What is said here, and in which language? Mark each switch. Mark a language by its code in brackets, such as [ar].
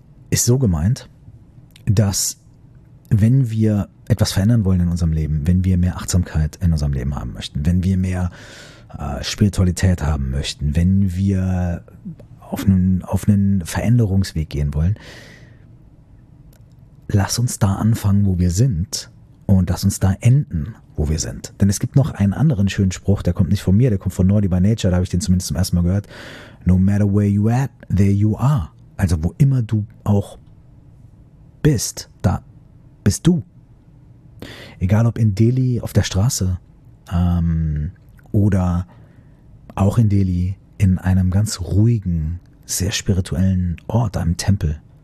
[de] ist so gemeint, dass wenn wir etwas verändern wollen in unserem Leben, wenn wir mehr Achtsamkeit in unserem Leben haben möchten, wenn wir mehr Spiritualität haben möchten, wenn wir auf einen Veränderungsweg gehen wollen, lass uns da anfangen, wo wir sind und lass uns da enden, wo wir sind. Denn es gibt noch einen anderen schönen Spruch, der kommt nicht von mir, der kommt von Naughty by Nature, da habe ich den zumindest zum ersten Mal gehört. [en] No matter where you at, there you are. [de] Also wo immer du auch bist, da bist du. Egal ob in Delhi, auf der Straße oder auch in Delhi, in einem ganz ruhigen, sehr spirituellen Ort, einem Tempel.